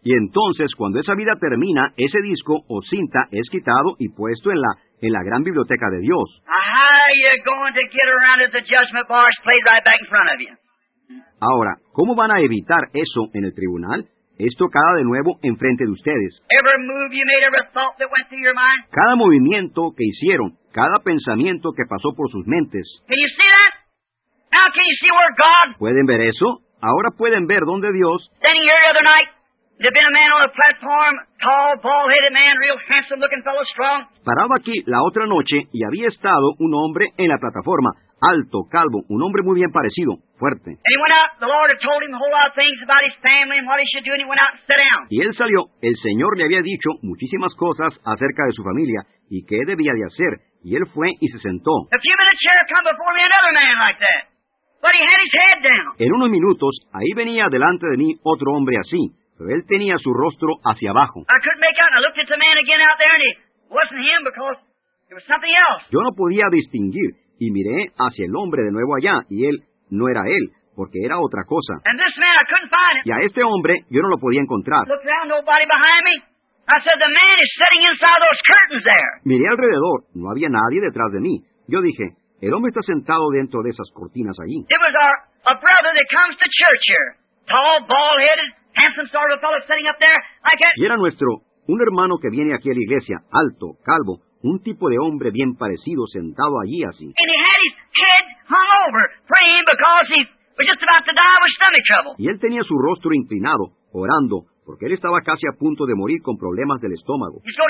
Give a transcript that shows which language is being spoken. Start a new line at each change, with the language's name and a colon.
Spanish: Y entonces cuando esa vida termina, ese disco o cinta es quitado y puesto en la gran biblioteca de Dios.
English: How are you going to get around if the judgment bar is played right back in front of you?
Spanish: Ahora, ¿cómo van a evitar eso en el tribunal? Es tocada de nuevo enfrente de ustedes.
English: Every move you made, every thought that went through your mind.
Spanish: Cada movimiento que hicieron, cada pensamiento que pasó por sus mentes.
English: Can you see that? Now can you see where God?
Spanish: ¿Pueden ver eso? Ahora pueden ver dónde Dios.
English: Standing here the other night, there'd been a man on the platform, tall, bald-headed man, real handsome-looking fellow, strong.
Spanish: Parado aquí la otra noche y había estado un hombre en la plataforma, alto, calvo, un hombre muy bien parecido, fuerte.
English: And he went out, the Lord had told him a whole lot of things about his family and what he should do, and he went out and sat down.
Spanish: Y él salió, el Señor le había dicho muchísimas cosas acerca de su familia y qué debía de hacer, y él fue y se sentó.
English: A few minutes here come before me another man like that. But he had his head down.
Spanish: En unos minutos, ahí venía delante de mí otro hombre así, pero él tenía su rostro hacia abajo.
English: I couldn't make out, and I looked at the man again out there, and it wasn't him because it was something else.
Spanish: Yo no podía distinguir, y miré hacia el hombre de nuevo allá, y él no era él, porque era otra cosa.
English: And this man, I couldn't find him.
Spanish: Y a este hombre, yo no lo podía encontrar.
English: I looked around, nobody behind me. I said, the man is sitting inside those curtains there.
Spanish: Miré alrededor, no había nadie detrás de mí. Yo dije, el hombre está sentado dentro de esas cortinas allí.
English: It was a brother that comes to church here. Tall, bald-headed, handsome sort of a fellow sitting up there. I can't...
Spanish: Y era nuestro, un hermano que viene aquí a la iglesia, alto, calvo, un tipo de hombre bien parecido sentado allí así.
English: And he had his head hung over, praying because he was just about to die with stomach trouble.
Spanish: Y él tenía su rostro inclinado, orando, porque él estaba casi a punto de morir con problemas del estómago.